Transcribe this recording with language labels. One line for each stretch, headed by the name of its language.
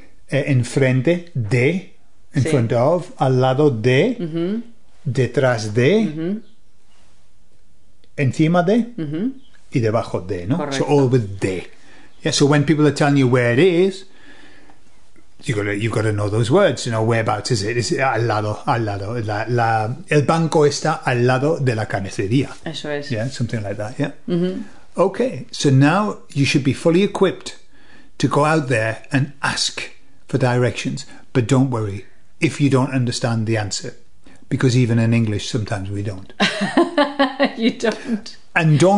Spanish: Enfrente, de.
English: In front of.
Spanish: Al lado de. Mm-hmm. Detrás de. Mm-hmm. Encima de. Mm-hmm. Y debajo de, no? Correcto.
English: So all with de. Yeah, so when people are telling you where it is, you've got to know those words. You know, whereabouts is it? Is it al lado?
Spanish: Al lado. El banco está al lado de la carnicería. Eso es.
English: Yeah, something like that. Yeah. Mm-hmm. Okay, so now you should be fully equipped to go out there and ask for directions. But don't worry if you don't understand the answer, because even in English, sometimes we don't. You don't. And don't.